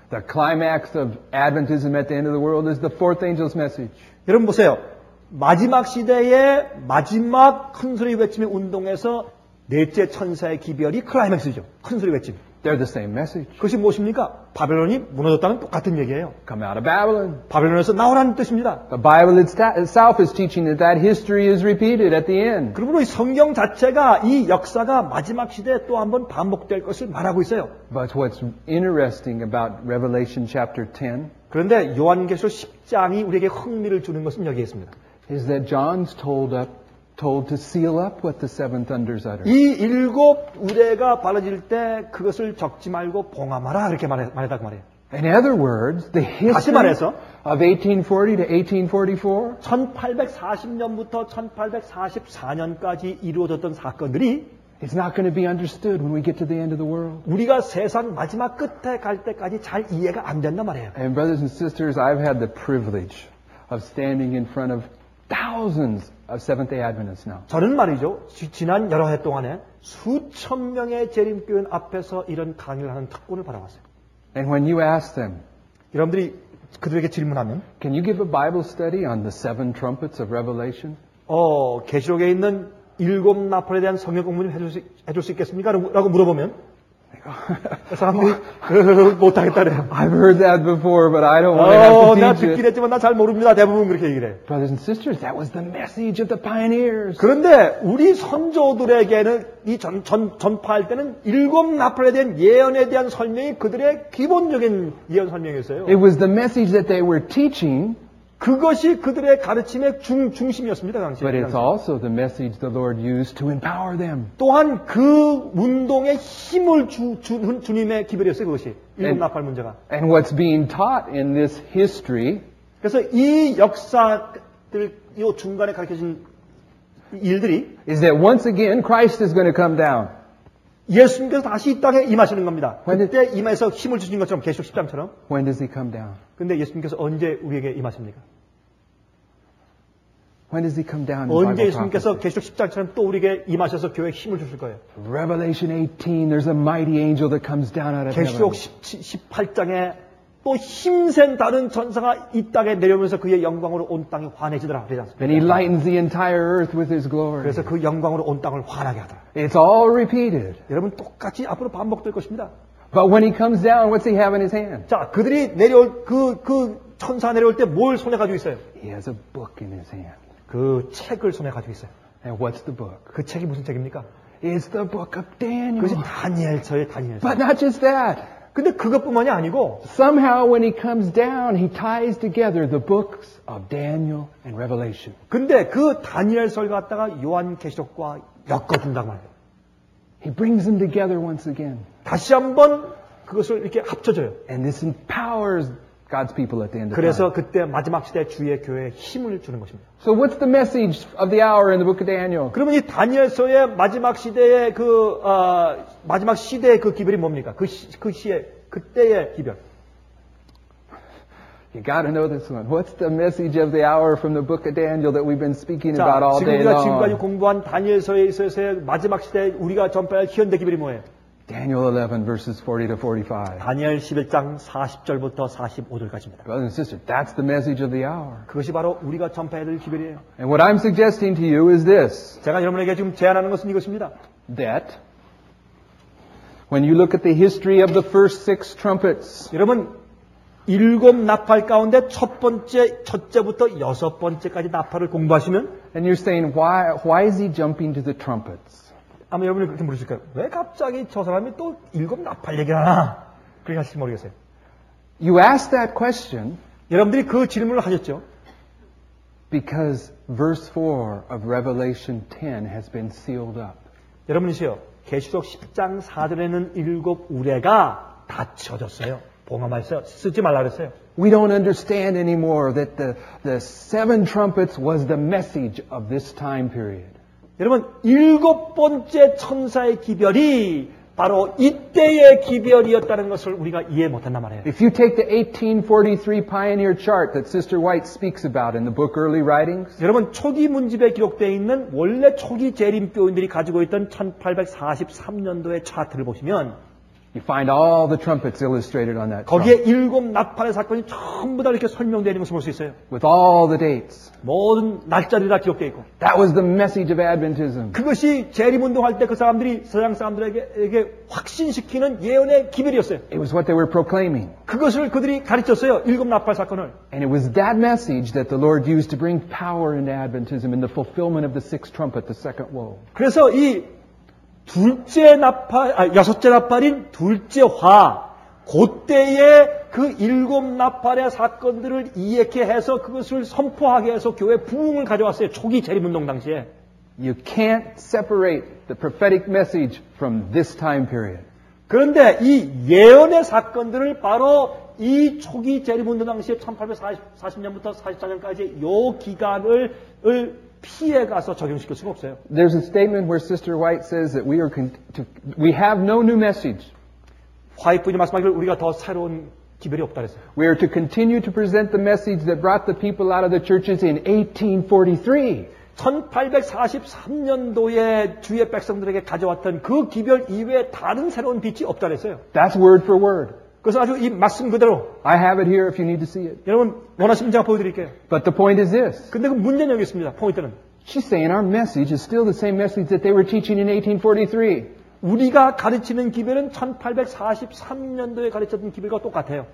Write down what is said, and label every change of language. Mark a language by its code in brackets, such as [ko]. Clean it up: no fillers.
[en] The climax of Adventism at the end of the world is the fourth angel's message. [ko] 여러분 보세요. 마지막 시대의 마지막 큰 소리 외침의 운동에서 넷째 천사의 기별이 클라이맥스죠. 큰 소리 외침. [en] They're the same message. [ko] 그것이 무엇입니까? 바벨론이 무너졌다는 똑같은 얘기예요. [en] Come out of Babylon. [ko] 바벨론에서 나오라는 뜻입니다. [en] The Bible itself is teaching that that history is repeated at the end. [ko] 그러므로 이 성경 자체가 이 역사가 마지막 시대에 또 한 번 반복될 것을 말하고 있어요. [en] But what's interesting about Revelation chapter 10? [ko] 그런데 요한계시록 10장이 우리에게 흥미를 주는 것은 여기에 있습니다. [en] Is that John's told up? Told to seal up what the seven thunders utter. [ko] 이 일곱 우레가 발라질 때 그것을 적지 말고 봉함하라 이렇게 말했다고 말해요. [en] In other words, the history [ko] 다시 말해서, [en] of 1840 to 1844 [ko] 1840년부터 1844년까지 이루어졌던 사건들이 [en] It's not going to be understood when we get to the end of the world. [ko] 우리가 세상 마지막 끝에 갈 때까지 잘 이해가 안 된단 말이에요. [en] And brothers and sisters, I've had the privilege of standing in front of thousands of Seventh-day Adventists now. [ko] 저는 말이죠. 지난 여러 해 동안에 수천 명의 재림교인 앞에서 이런 강의를 하는 특권을 받아왔어요. [en] And when you ask them, [ko] 여러분들이 그들에게 질문하면, [en] Can you give a Bible study on the seven trumpets of Revelation? [ko] 계시록에 있는 일곱 나팔에 대한 성경 공부 좀 해줄 수 있겠습니까? 라고 물어보면, 사람들이 못하겠다래요. [en] I've heard that before, but I don't want to have to teach it. [ko] 나 듣긴 했지만 나 잘 모릅니다. 대부분 그렇게 얘기해. [en] Brothers and sisters, that was the message of the pioneers. [ko] 그런데 우리 선조들에게는 이 전파할 때는 일곱 나팔에 대한 예언에 대한 설명이 그들의 기본적인 예언 설명이었어요. [en] It was the message that they were teaching. [ko] 그것이 그들의 가르침의 중심이었습니다 당시에. [en] But it's also the message the Lord used to empower them. [ko] 또한 그 운동에 힘을 주님의 기별이었어요 그것이 일곱 나팔 문제가. [en] And what's being taught in this history? [ko] 그래서 이 역사들 이 중간에 가르쳐진 일들이 [en] is that once again Christ is going to come down. [ko] 예수님께서 다시 이 땅에 임하시는 겁니다. 그때 임해서 힘을 주신 것처럼 계시록 10장처럼. [en] When does he come down? 근데 예수님께서 언제 우리에게 임하십니까? When does he come down? [ko] 언제 예수님께서 계시록 10장처럼 또 우리에게 임하셔서 교회에 힘을 주실 거예요? [en] Revelation 18, there's a mighty angel that comes down out of heaven. [ko] 계시록 18장에 또 힘센 다른 전사가 이 땅에 내려오면서 그의 영광으로 온 땅이 환해지더라. [en] Then he lightens the entire earth with his glory. [ko] 그래서 그 영광으로 온 땅을 환하게 하더라. [en] It's all repeated. [ko] 여러분 똑같이 앞으로 반복될 것입니다. [en] But when he comes down, what's he have in his hand? [ko] 자, 그들이 내려올 그 천사 내려올 때 뭘 손에 가지고 있어요? [en] He has a book in his hand. [ko] 그 책을 손에 가지고 있어요. [en] And what's the book? [ko] 그 책이 무슨 책입니까? [en] It's the book of Daniel. [ko] 그것이 다니엘서의 다니엘서. [en] But not just that. [ko] 근데 그것뿐만이 아니고 [en] somehow when he comes down, he ties together the books of Daniel and Revelation. [ko] 근데 그 다니엘서를 갖다가 요한계시록과 엮어둔단 말이에요. [en] He brings them together once again. [ko] 다시 한번 그것을 이렇게 합쳐줘요. [en] And this empowers God's people at the end of time. [ko] 그래서 그때 마지막 시대 주의 교회에 힘을 주는 것입니다. [en] So what's the message of the hour in the book of Daniel? [ko] 그러면 이 다니엘서의 마지막 시대의 그 마지막 시대의 그 기별이 뭡니까? 그 시에 그때의 기별. [en] You got to know this one. What's the message of the hour from the book of Daniel that we've been speaking about all day long? [ko] 자, 지금까지 공부한 다니엘서에 있어서의 마지막 시대 우리가 전파할 희연대 기별이 뭐예요? [en] Daniel 11 verses 40 to 45. [ko] 다니엘 11장 40절부터 45절까지입니다. [en] Brothers and sisters, that's the message of the hour. [ko] 그것이 바로 우리가 전파해야 될 기별이에요. [en] And what I'm suggesting to you is this. [ko] 제가 여러분에게 지금 제안하는 것은 이것입니다. [en] That when you look at the history of the first six trumpets. [ko] 여러분 일곱 나팔 가운데 첫 번째 첫째부터 여섯 번째까지 나팔을 공부하시면 [en] And you're saying why is he jumping to the trumpets? [ko] 아마 여러분이 그렇게 물으실까요? 왜 갑자기 저 사람이 또 일곱 나팔 얘기를 하나? 그렇게 하실지 모르겠어요. [en] You asked that question. [ko] 여러분들이 그 질문을 하셨죠. [en] Because verse 4 of Revelation 10 has been sealed up. [ko] 여러분이시요. 계시록 10장 4절에는 일곱 우레가 닫혀졌어요. 봉함하세요. 쓰지 말라 그랬어요. [en] We don't understand anymore that the seven trumpets was the message of this time period. [ko] 여러분 일곱 번째 천사의 기별이 바로 이때의 기별이었다는 것을 우리가 이해 못한단 말이에요. [en] If you take the 1843 pioneer chart that Sister White speaks about in the book Early Writings, 여러분 초기 문집에 기록되어 있는 원래 초기 재림교인들이 가지고 있던 1843년도의 차트를 보시면 you find all the trumpets illustrated on that. [ko] 거기에 일곱 나팔의 사건이 전부 다 이렇게 설명되어 있는 것을 볼 수 있어요. [en] With all the dates. [ko] 모든 날짜들이 다 기록되어 있고. [en] That was the message of Adventism. [ko] 그것이 재림 운동할 때 그 사람들이 세상 사람들에게 확신시키는 예언의 기별이었어요. [en] It was what they were proclaiming. [ko] 그것을 그들이 가르쳤어요. 일곱 나팔 사건을. [en] And it was that message that the Lord used to bring power into Adventism in the fulfillment of the sixth trumpet, the second woe. [ko] 그래서 이 둘째 나팔, 아, 여섯째 나팔인 둘째 화, 그때의 그 일곱 나팔의 사건들을 이해케 해서 그것을 선포하게 해서 교회 부흥을 가져왔어요. 초기 재림운동 당시에. [en] You can't separate the prophetic message from this time period. [ko] 그런데 이 예언의 사건들을 바로 이 초기 재림운동 당시에 1840년부터 44년까지 이 기간을 피해가서 적용시킬 수가 없어요. [en] There's a statement where Sister White says that we have no new message. [ko] 화이프님 말씀하기를 우리가 더 새로운 기별이 없다 그랬어요. [en] We are to continue to present the message that brought the people out of the churches in 1843. [ko] 1843년도에 주의 백성들에게 가져왔던 그 기별 이외에 다른 새로운 빛이 없다 그랬어요. [en] That's word for word. [ko] 그래서 아주 이 말씀 그대로. [en] I have it here if you need to see it. [ko] 여러분 원하시면 제가 보여드릴게요. [en] But the point is this. [ko] 근데 그 문제는 여기 있습니다. 포인트는. [en] She's saying our message is still the same message that they were teaching in 1843. [ko] 우리가 가르치는 기별은 1843년도에 가르쳤던 기별과 똑같아요.